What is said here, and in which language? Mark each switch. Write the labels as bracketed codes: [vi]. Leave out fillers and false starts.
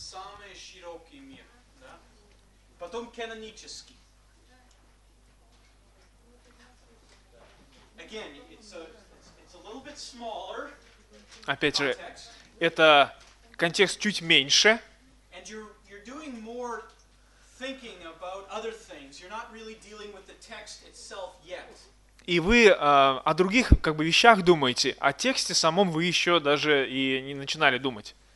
[ru] Самый широкий мир, да? Потом канонический. [en] Again, it's a little bit smaller. [ru] Опять же, это контекст чуть меньше. [en] And you're doing more thinking about other things. You're not really dealing with the text itself yet. [ru] И вы о других как бы вещах думаете, о тексте самом вы еще даже и не начинали думать.